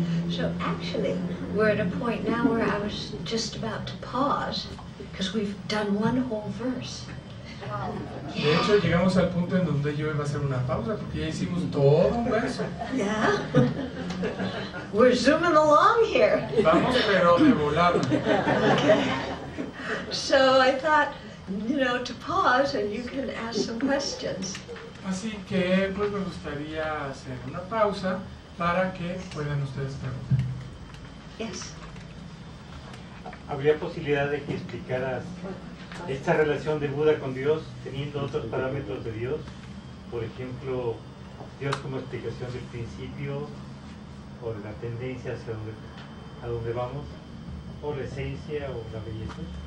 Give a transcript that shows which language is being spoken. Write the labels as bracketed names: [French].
[English] So actually we're at a point now where I was just about to pause because we've done one whole verse. [Spanish] De hecho, llegamos al punto en donde yo iba a hacer una pausa porque ya hicimos todo un verso. [English] Yeah. We're zooming along here. [Spanish] Vamos, pero de volado. [English] Okay. So I thought, you know, to pause and you can ask some questions. [Spanish] Así que, pues me gustaría hacer una pausa para que puedan ustedes preguntar. [English] Yes. [Spanish] ¿Habría posibilidad de que explicaras esta relación de Buda con Dios teniendo otros parámetros de Dios? Por ejemplo, Dios como explicación del principio, o de la tendencia hacia donde, a donde vamos, o la esencia, o la belleza.